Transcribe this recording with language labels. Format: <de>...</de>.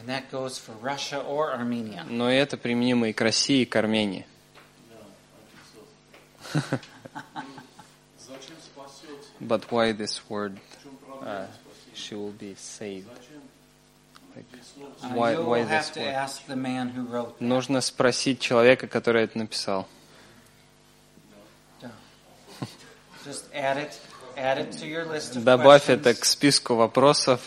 <ru>Но это применимо и к России, и к Армении.</ru> <en>But why this word she will be saved? Why this word?</en> <ru>Нужно спросить человека, который это написал.</ru> <en>Just add it to your list of questions.</en> <ru>Добавь это к списку вопросов.</ru>